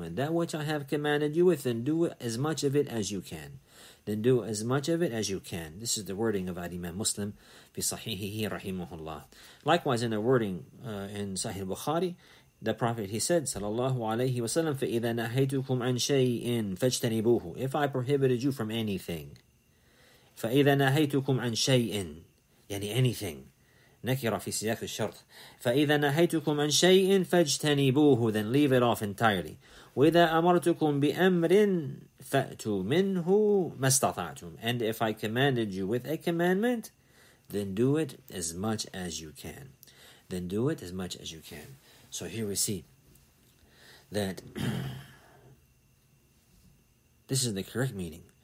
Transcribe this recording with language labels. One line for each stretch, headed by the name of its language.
English: And that which I have commanded you with, then do as much of it as you can. Then do as much of it as you can. This is the wording of Imam Muslim
Arabic: في صحيحه رحمه الله.
English: Likewise, in the wording in Sahih Bukhari, the Prophet, he said, sallallahu alayhi wa sallam,
Arabic: فَإِذَا نَهَيْتُكُمْ عَنْ شَيْءٍ فَاجْتَنِبُوهُ.
English: If I prohibited you from anything,
Arabic: فَإِذَا نَهَيْتُكُمْ عَنْ شَيْءٍ, يعني anything, نَكِرَ فِي سِيَاقِ الشَّرْطِ, فَإِذَا نَهَيْتُكُمْ عَنْ شَيْءٍ فَاجْتَنِبُوهُ,
English: then leave it off entirely.
Arabic: وَإِذَا أَمَرْتُكُمْ بِأَمْرٍ فَأْتُوا مِنْهُ مَا اسْتَطَعْتُمْ.
English: And if I commanded you with a commandment, then do it as much as you can. Then do it as much as you can. So here we see that this is the correct meaning.